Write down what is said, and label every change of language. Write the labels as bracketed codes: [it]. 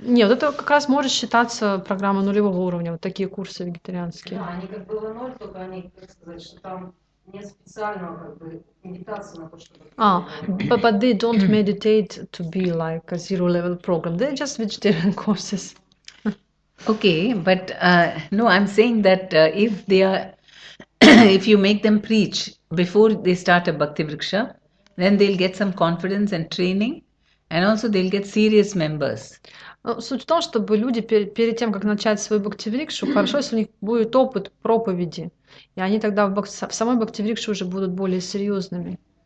[ru] Нет, это как раз может считаться программа нулевого уровня, вот такие курсы вегетарианские. Да, они как было ноль, только они, как сказать, что там нет специального как бы медитации на то, чтобы. [en] Ah, but they don't meditate to be like a zero level program. They're just vegetarian courses. Okay, but no, I'm saying that if they are. If you make them preach before they start a Bhakti Vriksha, then they'll get some confidence and training, and also they'll get serious members. [ru] Суть в том, чтобы люди перед тем, как начать свой Бхакти Врикшу, хорошо, если у них будет опыт проповеди, и они тогда в самой Бхакти Врикшу уже будут более серьезными.